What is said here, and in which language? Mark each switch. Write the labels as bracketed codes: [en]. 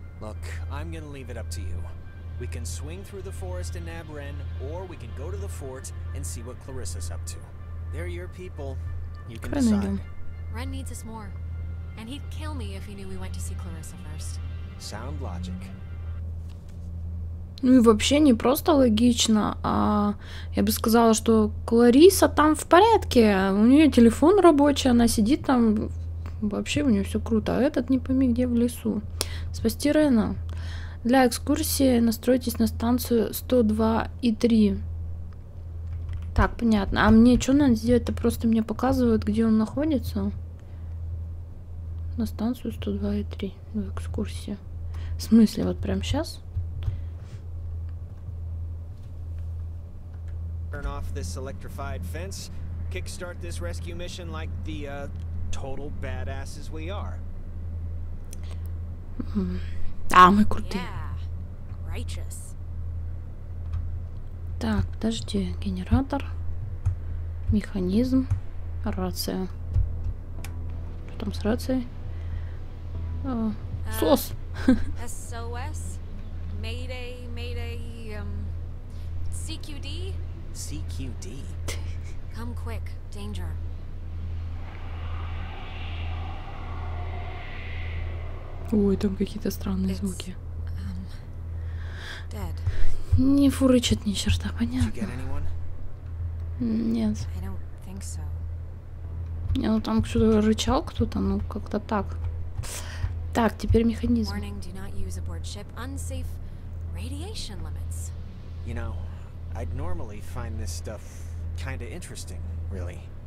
[en] Look, I'm gonna leave it up to you. We can swing through the forest and nab Рен, or we can go to the fort and see what Clarissa's up to. They're your people. You can decide. Рен needs us more. And he'd kill me if he knew we went to see Clarissa first. Sound logic. [ru] Ну и вообще не просто логично, а я бы сказала, что Клариса там в порядке. У нее телефон рабочий, она сидит там. Вообще у нее все круто. А этот не пойми где в лесу. Спасти Рена. Для экскурсии настройтесь на станцию 102.3. Так, понятно. А мне что надо сделать? Это просто мне показывают, где он находится. На станцию 102.3. В экскурсии. В смысле, вот прям сейчас? [en] Turn off this electrified fence, kickstart this rescue mission like the total badasses we are. [ru] А, мы крутые. [en] Yeah. Righteous. [ru] Так, подожди, генератор, механизм, рация. Что там с рацией? СОС. [en] SOS? Mayday, Mayday, CQD? CQD. Come quick, danger. [ru] Ой, там какие-то странные звуки. [en] Dead. [ru] Не фурычит ни черта, понятно. [en] Did you get anyone? [ru] Нет. [en] I don't think so. [ru] Не, ну там что-то рычал кто-то, ну как-то так. Так, теперь механизм. [en] Warning, do not use aboard ship. Unsafe radiation limits. You know, I'd normally find this stuff kind of interesting, really.